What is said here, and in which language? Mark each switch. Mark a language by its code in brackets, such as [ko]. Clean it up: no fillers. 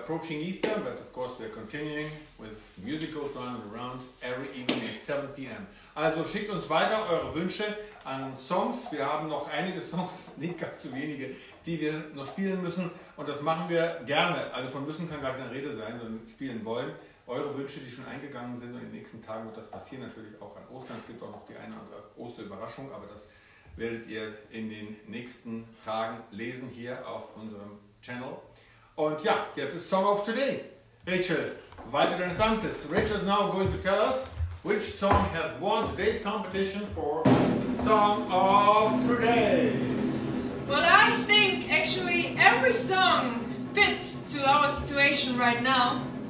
[en] Easter, but of course we're continuing with music goes round and round every evening at 7 p.m. [de] Also schickt uns weiter eure Wünsche an Songs. Wir haben noch einige Songs, nicht ganz zu wenige, die wir noch spielen müssen, und das machen wir gerne. Also von müssen kann gar keine Rede sein, sondern spielen wollen. Eure Wünsche, die schon eingegangen sind, und in den nächsten Tagen wird das passieren, natürlich auch an Ostern. Es gibt auch noch die eine oder andere Osterüberraschung, aber das werdet ihr in den nächsten Tagen lesen hier auf unserem Channel. Und ja, jetzt ist Song of Today. Rachel, weiter deines Amtes. [en] Rachel is now going to tell us which song has won today's competition for the Song of Today. Well, I think actually every song fits to our situation right now.